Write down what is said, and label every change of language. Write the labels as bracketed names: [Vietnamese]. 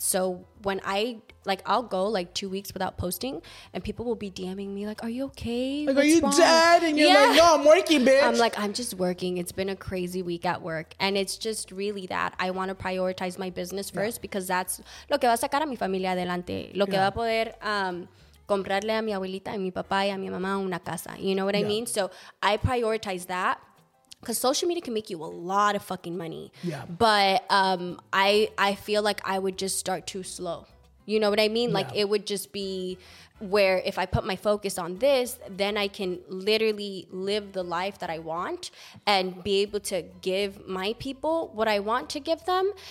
[English] So when I, like, I'll go like 2 weeks without posting and people will be DMing me like, are you okay? Like, what's are you wrong? Dead? And you're like, no, I'm working, bitch. I'm like, I'm just working. It's been a crazy week at work. And it's just really that I want to prioritize my business first because that's [Spanish] lo que va a sacar a mi familia adelante. Lo que va a poder comprarle a mi abuelita, a mi papá y a mi mamá una casa. [English] You know what I mean? So I prioritize that because social media can make you a lot of fucking money. Yeah. But I feel like I would just start too slow. You know what I mean? Like it would just be where if I put my focus on this, then I can literally live the life that I want and be able to give my people what I want to give them.